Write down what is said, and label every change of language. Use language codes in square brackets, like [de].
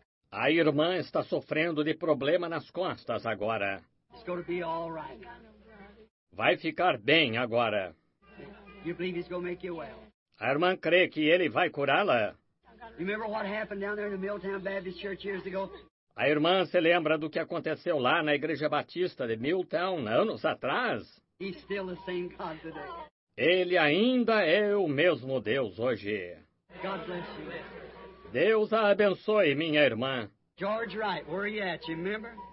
[pt] A irmã está sofrendo de problema nas costas agora. [en] It's going to be all right. [pt] Vai ficar bem agora. [en] You believe he's going to make you well. [pt] A irmã crê que ele vai curá-la. [en] You remember what happened down there in the Milltown Baptist Church years ago? [pt] A irmã se lembra do que aconteceu lá na Igreja Batista de Milltown, anos atrás? [en] He's still the same God today. [pt] Ele ainda é o mesmo Deus hoje. [en] God bless you. [pt] Deus a abençoe, minha irmã. [en] George Wright, where are you at? You remember?